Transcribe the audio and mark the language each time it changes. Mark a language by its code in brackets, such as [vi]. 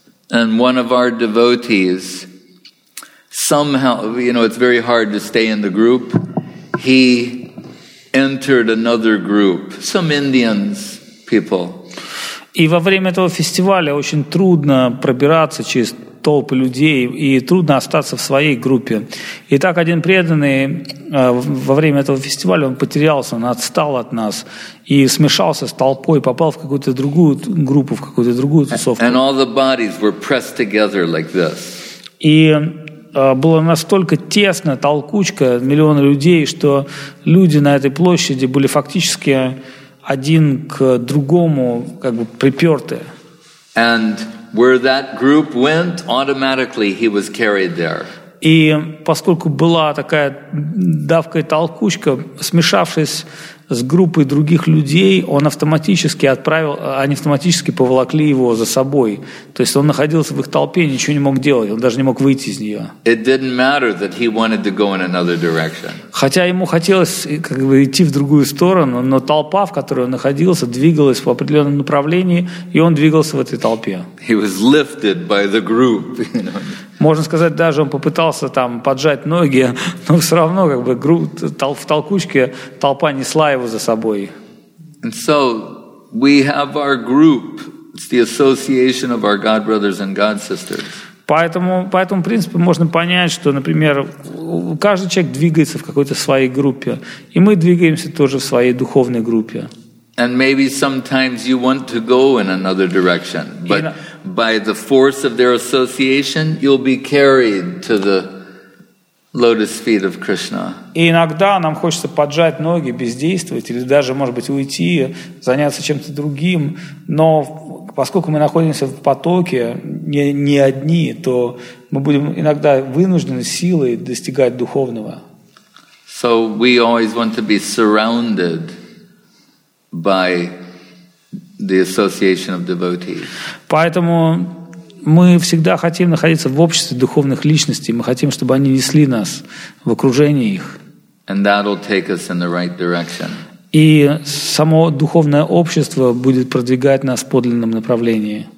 [en] And one of our devotees, somehow, you know, it's very hard to stay in the group. He entered another group, some Indians people. [ru] И во время этого фестиваля очень трудно пробираться через толпы людей, и трудно остаться в своей группе. И так один преданный во время этого фестиваля, он потерялся, он отстал от нас и смешался с толпой, попал в какую-то другую группу, в какую-то другую тусовку. [en] And all the bodies were pressed together like this. [ru] И было настолько тесно, толкучка, миллионы людей, что люди на этой площади были фактически один к другому как бы припёрты. [en] And where that group went, automatically he was carried there. [ru] И поскольку была такая давка и толкучка, смешавшись с группой других людей, он автоматически отправил, они автоматически поволокли его за собой. То есть он находился в их толпе, ничего не мог делать, он даже не мог выйти из нее. [en] It didn't matter that he wanted to go in another direction. [ru] Хотя ему хотелось как бы идти в другую сторону, но толпа, в которой он находился, двигалась в определенном направлении, и он двигался в этой толпе. [en] He was lifted by the group, you know. [ru] Можно сказать, даже он попытался там поджать ноги, но все равно как бы в толкучке толпа несла его за собой. [en] And so we have our group. It's the association of our God brothers and God sisters. [ru] По этому принципу можно понять, что, например, каждый человек двигается в какой-то своей группе, и мы двигаемся тоже в своей духовной группе. [en] And maybe sometimes you want to go in another direction, but by the force of their association, you'll be carried to the lotus feet of Krishna. [ru] И иногда нам хочется поджать ноги, бездействовать, или даже, может быть, уйти, заняться чем-то другим, но поскольку мы находимся в потоке, не одни, то мы будем иногда вынуждены силой достигать духовного. [en] So we always want to be surrounded by the association of devotees. [ru] Поэтому мы всегда хотим находиться в обществе духовных личностей. Мы хотим, чтобы они несли нас в окружении их. [en] And that'll take us in the right direction. [ru] И само духовное общество будет продвигать нас в подлинном направлении.